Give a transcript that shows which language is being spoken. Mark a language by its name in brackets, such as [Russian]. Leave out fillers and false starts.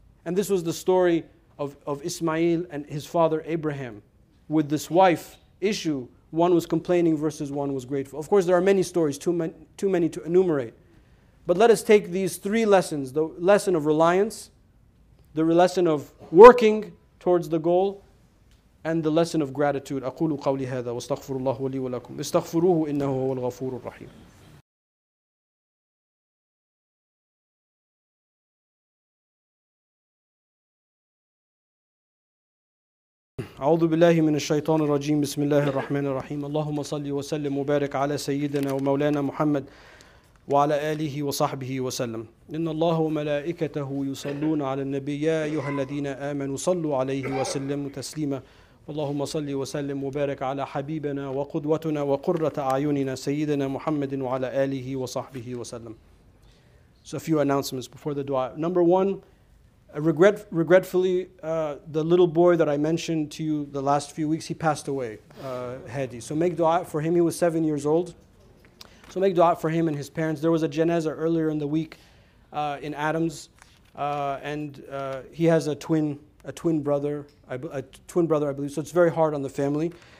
[English] And this was the story of Ismail and his father Abraham with this wife issue. One was complaining versus one was grateful. Of course, there are many stories, too many to enumerate. But let us take these three lessons. The lesson of reliance, the lesson of working towards the goal, and the lesson of gratitude. [Arabic] أقول قولي هذا واستغفر الله لي ولكم استغفروه إنه هو الغفور الرحيم. أعوذ بالله من الشيطان الرجيم بسم الله الرحمن الرحيم اللهم صل وسلم وبارك على سيدنا ومولانا محمد وعلى آله وصحبه وسلم. إن الله وملائكته يصلون على النبي يا أيها الذين آمنوا صلوا عليه وسلموا تسليما. اللهم صل وسلم وبارك على حبيبنا وقدوتنا وقرة أعيننا سيدنا محمد وعلى آله وصحبه وسلم. [English] So a few announcements before the dua. Number one, regretfully, the little boy that I mentioned to you the last few weeks, he passed away, Hadi. So make dua for him. He was 7 years old. So make dua for him and his parents. There was a janazah earlier in the week in Adams, and he has a twin brother, I believe. So it's very hard on the family.